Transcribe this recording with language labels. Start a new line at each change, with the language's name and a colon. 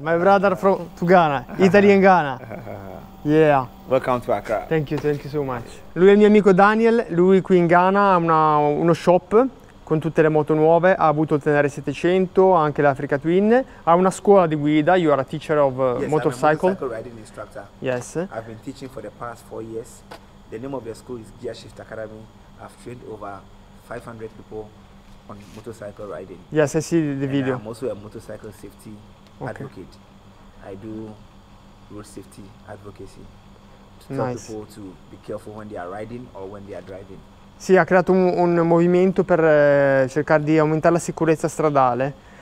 English: My brother from to Ghana, Italy and Ghana. Yeah. Welcome to Accra. Thank you so much.
Italian: Lui è il mio amico Daniel, lui qui in Ghana ha uno shop con tutte le moto nuove, ha avuto il Tenere 700, anche l'Africa Twin, ha una scuola di guida,
English: you are a teacher of motorcycle. Yes, I'm a motorcycle riding instructor. Yes. I've been teaching for the past 4 years. The name of the school is Gear Shift Academy. I've trained over 500 people on motorcycle riding. Yes, I see the video. And I'm also a motorcycle safety advocate. Okay. I do road safety advocacy to tell people to be careful when they are riding or when they are driving.
Italian: Sì, ha creato un movimento per cercare di aumentare la sicurezza stradale.